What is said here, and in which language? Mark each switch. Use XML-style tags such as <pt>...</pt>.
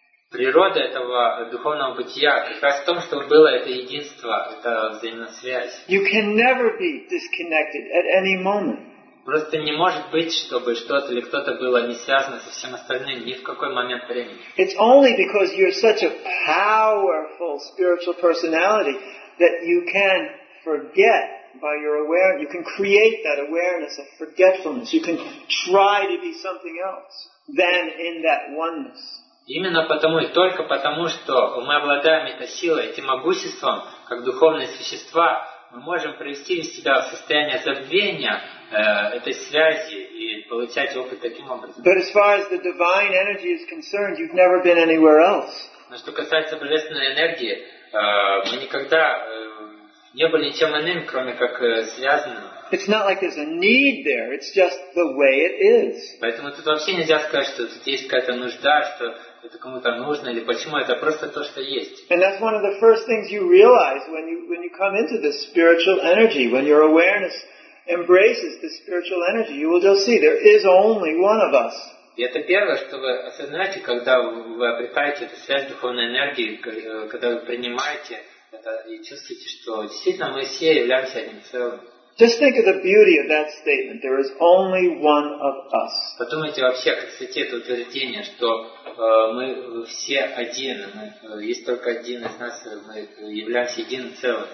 <ru>Природа этого духовного бытия как раз в том, что было это единство, это взаимосвязь.</ru> <en>You can never be disconnected at any moment.</en> <ru>Просто не может быть, чтобы что-то или кто-то было не связано со всем остальным ни в какой момент времени.</ru> <en>It's only because you're such a powerful spiritual personality that you can forget by your awareness. You can create that awareness of forgetfulness. You can try to be something else. Than in that oneness.</en> <ru>Именно потому и только потому, что мы обладаем этой силой, этим могуществом, как духовные существа, мы можем привести себя в состояние забвения этой связи и получать опыт таким образом.</ru> <en>But as far as the divine energy is concerned, you've never been anywhere else.</en> <ru>Но что касается божественной энергии, мы никогда не были ничем иным, кроме как связанным.</ru> <en>It's not like there's a need there. It's just the way it is.</en> <ru>Поэтому тут вообще нельзя сказать, что тут есть какая-то нужда, что это кому-то нужно или почему. Это просто то, что есть.</ru> <en>And that's one of the first things you realize when you come into this spiritual energy, when your awareness embraces the spiritual energy, you will just see there is only one of us.</en> <ru>И это первое, что вы осознаете, когда вы обретаете эту связь духовной энергии, когда вы принимаете это и чувствуете, что действительно мы все являемся одним целым.</ru> <en>Just think of the beauty of that statement. There is only one of us.</en> <ru>Подумайте вообще о красоте этого утверждения, что мы все один, мы есть только один из нас, мы являемся единым целым.</ru>